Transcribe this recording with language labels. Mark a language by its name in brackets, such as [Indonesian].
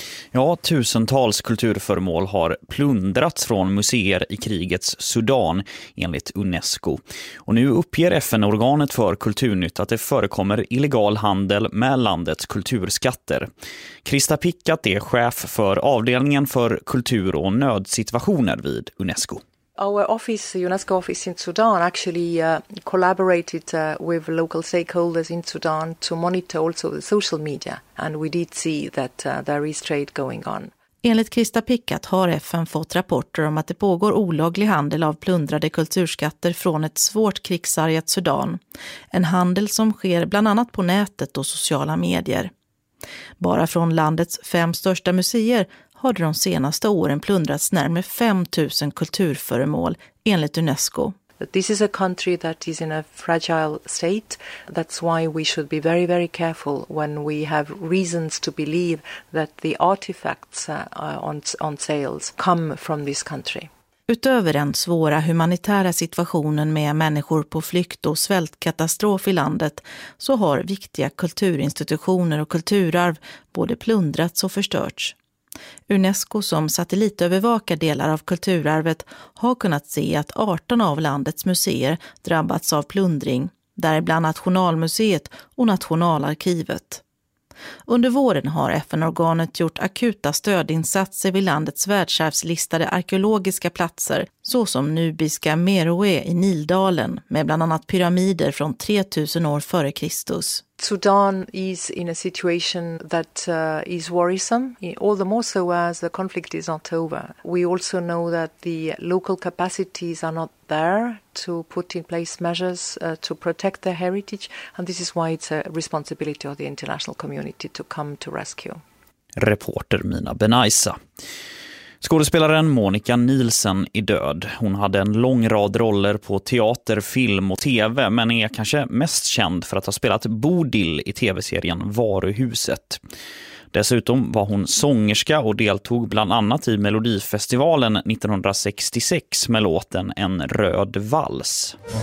[Swedish] Ja, tusentals kulturföremål har plundrats från museer i krigets Sudan, enligt UNESCO. Och nu uppger FN-organet för kulturnytt att det förekommer illegal handel med landets kulturskatter. Krista Pickat är chef för avdelningen för kultur- och nödsituationer vid UNESCO. [English] Our office, UNESCO office in Sudan, actually collaborated with local stakeholders in Sudan to monitor also the social media, and we did see that there is trade going on. [Swedish] Enligt Krista Pickat har FN fått rapporter om att det pågår olaglig handel av plundrade kulturskatter från ett svårt krigsargat Sudan. En handel som sker bland annat på nätet och sociala medier. Bara från landets fem största museer har de senaste åren plundrats närmare 5000 kulturföremål, enligt UNESCO. [English] This is a country that is in a fragile state. That's why we should be very, very careful when we have reasons to believe that the artifacts on sales come from this country. [Swedish] Utöver den svåra humanitära situationen med människor på flykt och svältkatastrof i landet, så har viktiga kulturinstitutioner och kulturarv både plundrats och förstörts. UNESCO, som satellitövervakar delar av kulturarvet, har kunnat se att 18 av landets museer drabbats av plundring, däribland Nationalmuseet och Nationalarkivet. Under våren har FN-organet gjort akuta stödinsatser vid landets världsarvslistade arkeologiska platser, såsom nubiska Meroe i Nildalen, med bland annat pyramider från 3000 år före Kristus. [English] Sudan is in a situation that is worrisome, all the more so as the conflict is not over. We also know that the local capacities are not there to put in place measures to protect their heritage, and this is why it's a responsibility of the international community to come to rescue. [Swedish] Reporter Mina Benaisa. Skådespelaren Monica Nielsen är död. Hon hade en lång rad roller på teater, film och tv, men är kanske mest känd för att ha spelat Bodil i tv-serien Varuhuset. Dessutom var hon sångerska och deltog bland annat i Melodifestivalen 1966 med låten En röd vals.